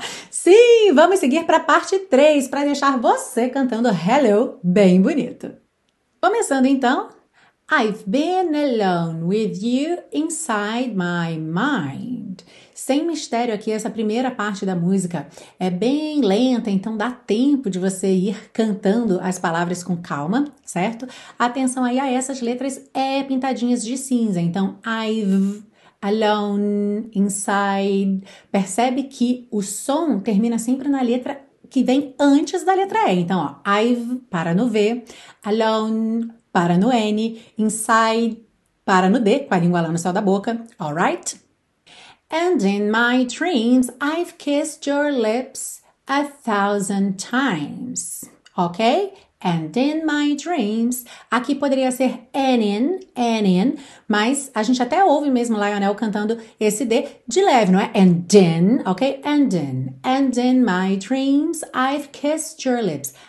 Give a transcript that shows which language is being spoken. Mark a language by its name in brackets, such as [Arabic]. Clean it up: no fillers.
[Portuguese] Sim, vamos seguir para a parte 3 para deixar você cantando Hello bem bonito. Começando então. [English] I've been alone with you inside my mind. [Portuguese] Sem mistério aqui, essa primeira parte da música é bem lenta, então dá tempo de você ir cantando as palavras com calma, certo? Atenção aí a essas letras pintadinhas de cinza, então [English] I've alone inside. [Portuguese] Percebe que o som termina sempre na letra que vem antes da letra E. Então, ó, I've para no V, alone para no N, inside para no D, com a língua lá no céu da boca. [English] Alright? And in my dreams, I've kissed your lips 1,000 times. Ok? And in my dreams, [Portuguese] aqui poderia ser [English] and in, [Portuguese] mas a gente até ouve mesmo Lionel cantando esse D de leve, não é? [English] And in, ok? And in my dreams, I've kissed your lips.